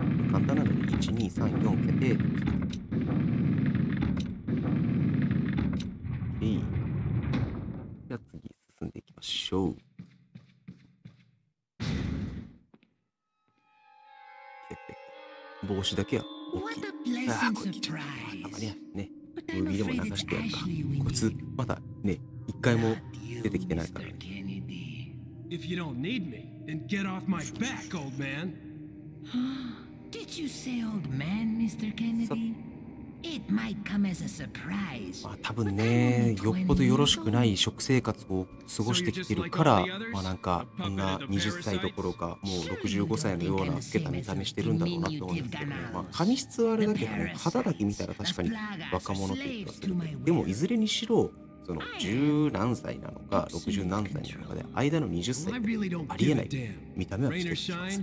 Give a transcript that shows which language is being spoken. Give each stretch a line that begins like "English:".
Japanese: 簡単なのに1234桁で、じゃあ次進んでいきましょう。帽子だけは大きい。さあ、こっちゃった。まあ、たまにはね、ムービーでも流してやるか。こいつまだね、一回も出てきてないからね。
English: If you don't need me, then get off my back, old man. Did you say old man, Mr. Kennedy? It might come as a surprise.
Japanese: まあ多分ね、よっぽどよろしくない食生活を過ごしてきてるから、まあなんかこんな20歳どころかもう65歳のような老けた見た目してるんだろうなと思うんですけど、まあ髪質はあれだけどね、肌だけ見たら確かに若者って言ってますけど、でもいずれにしろその十何歳なのか60何歳なのかで間の20歳ってありえない見た目はしてるんです。